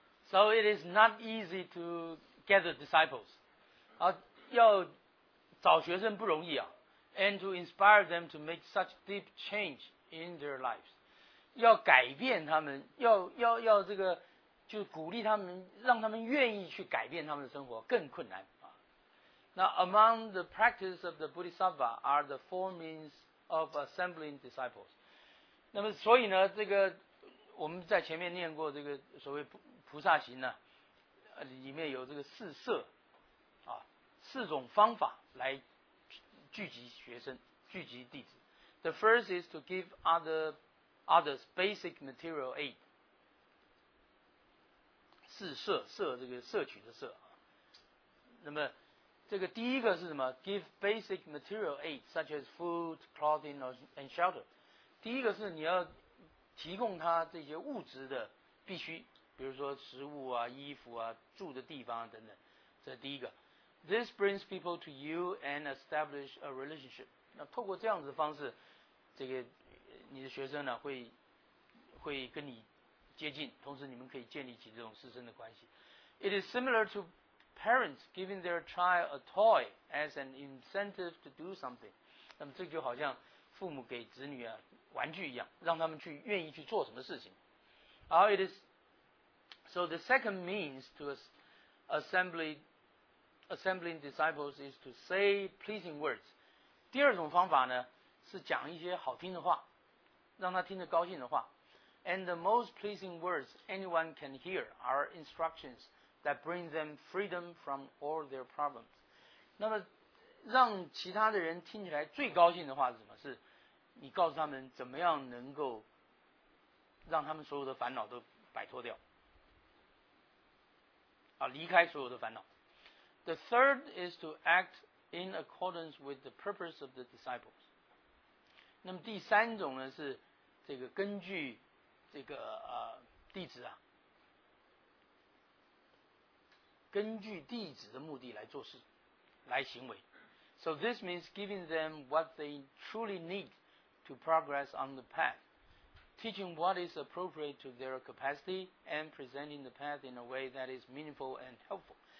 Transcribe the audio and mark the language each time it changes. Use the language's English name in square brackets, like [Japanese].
[English] So it is not easy to gather disciples. [Chinese] 啊，要找学生不容易啊。 [English] And to inspire them to make such deep change in their lives. [Chinese] 要改变他们，要这个。就鼓励他们，让他们愿意去改变他们的生活，更困难啊。那 [English] among the practice of the Bodhisattva are the four means of assembling disciples. [Chinese] 那么所以呢，这个我们在前面念过这个所谓菩萨行呢，里面有这个四摄啊，四种方法来聚集学生，聚集弟子。 [English] The first is to give others basic material aid. [Chinese] 四摄，摄这个摄取的摄。那么这个第一个是什么？ [English] Give basic material aid such as food, clothing and shelter. [Chinese] 第一个是你要提供他这些物质的必须，比如说食物啊、衣服啊、住的地方等等，这第一个。 [English] This brings people to you and establish a relationship. [Chinese] 那透过这样子的方式，这个你的学生呢会跟你接近，同时你们可以建立起这种师生的关系。 [English] It is similar to parents giving their child a toy as an incentive to do something. [Chinese] 那么这就好像父母给子女啊玩具一样，让他们去愿意去做什么事情。 [English] Now it is so the second means to assembling disciples is to say pleasing words. [Chinese] 第二种方法呢是讲一些好听的话，让他听得高兴的话。 [English] And the most pleasing words anyone can hear are instructions that bring them freedom from all their problems. [Chinese] 那么让其他的人听起来最高兴的话是什么？是你告诉他们怎么样能够让他们所有的烦恼都摆脱掉，啊，离开所有的烦恼。 [English] The third is to act in accordance with the purpose of the disciples. [Chinese] 那么第三种呢，是这个根据这个弟子啊，根据弟子的目的来做事，来行为。 [English] So this means giving them what they truly need to progress on the path, teaching what is appropriate to their capacity, and presenting the path in a way that is meaningful and helpful.